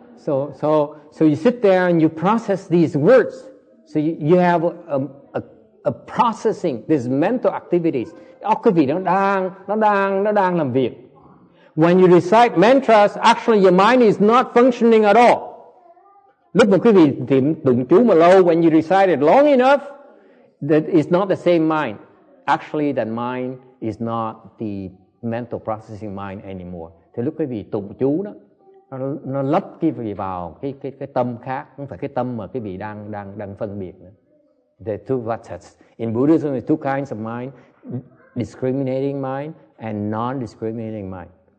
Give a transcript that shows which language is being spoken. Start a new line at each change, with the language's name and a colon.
English: So you sit there and you process these words. So you have a processing these mental activities.
Vietnamese: Óc quý vị nó đang làm việc.
English: When you recite mantras, actually your mind is not functioning at all.
Vietnamese: Lúc mà quý vị niệm tụng chú mà lâu,
English: when you recite it long enough,
Vietnamese: that is not the same mind.
English: Actually, that mind is not the mental processing mind anymore.
Vietnamese: Thì lúc quý vị tụng chú đó, nó lấp quý vị vào cái tâm khác, không phải cái tâm mà quý vị đang phân biệt nữa.
English: There are two vatsas. In Buddhism, there are two kinds of mind: discriminating mind and non-discriminating mind.